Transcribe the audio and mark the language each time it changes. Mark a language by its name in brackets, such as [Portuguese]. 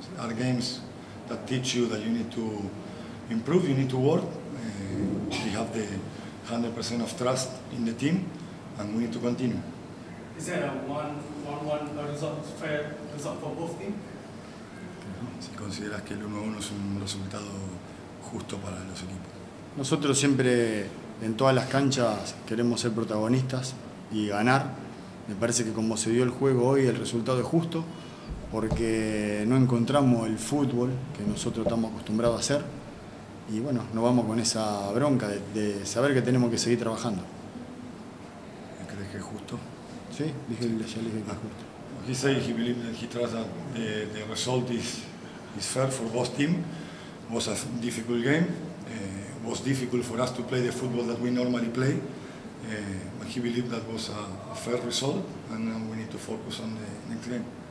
[English] Are games that teach you that you need to improve, you need to work. We have the 100% of trust in the team, and we need to continue. Is that a 1-1 result, fair result for both teams? [Spanish] Si consideras que el 1-1 es un resultado justo para los equipos. Nosotros siempre, en todas las canchas, queremos ser protagonistas y ganar. Me parece que como se dio el juego hoy, el resultado es justo, porque no encontramos el fútbol que nosotros estamos acostumbrados a hacer. Y bueno, nos vamos con esa bronca de saber que tenemos que seguir trabajando. ¿Crees que es justo? Sí, dije, ya le dije que es justo. [English] He said he believes that he trusts that the result is fair for both teams. Was a difficult game. Was difficult for us to play the football that we normally play. But he believes that was a fair result, and now we need to focus on the next game.